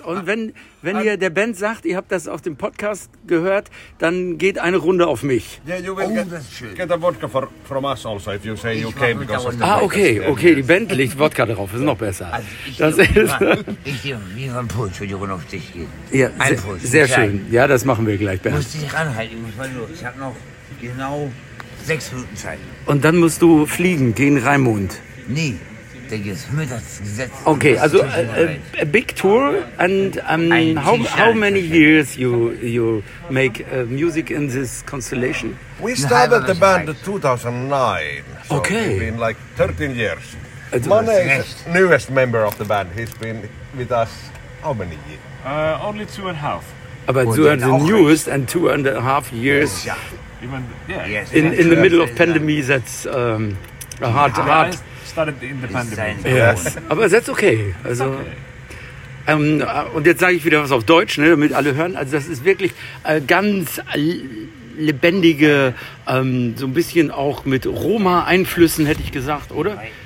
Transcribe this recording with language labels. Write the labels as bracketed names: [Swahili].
[German] Und wenn ihr der Band sagt, ihr habt das auf dem Podcast gehört, dann geht eine Runde auf mich. [English] Yeah, you will get a vodka from us also, if you say you came because of the podcast. [German] Okay, die Band legt Wodka drauf, ist noch besser. Ich gehe mir einen Puls, wenn die Runde auf dich geht. Ja, sehr schön. Ja, das machen wir gleich, Bernd. Du musst dich ranhalten, ich habe noch genau 6 Minuten Zeit. Und dann musst du fliegen gegen Raimund. Nee. [English] Okay, also a big tour, and how many years you make music in this constellation? We started the band in 2009. So okay. It's been like 13 years. Mane is the newest member of the band. He's been with us how many years? Only 2.5. But you are the newest, and 2.5 years in the middle of pandemic, that's a hard time. Started in the pandemic. Yes, aber that's okay. Also, okay. [German] Und jetzt sage ich wieder was auf Deutsch, ne, damit alle hören. Also das ist wirklich ganz lebendige, so ein bisschen auch mit Roma-Einflüssen, hätte ich gesagt, oder?